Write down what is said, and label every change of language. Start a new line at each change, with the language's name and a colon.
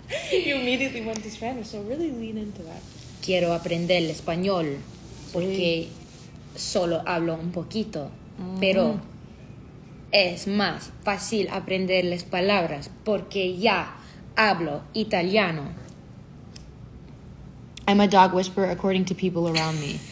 English: You immediately went to Spanish, so really lean into that.
Spanish: Quiero aprender el español porque solo hablo un poquito. Mm. Pero es más fácil aprender las palabras porque ya hablo italiano.
English: I'm a dog whisperer according to people around me.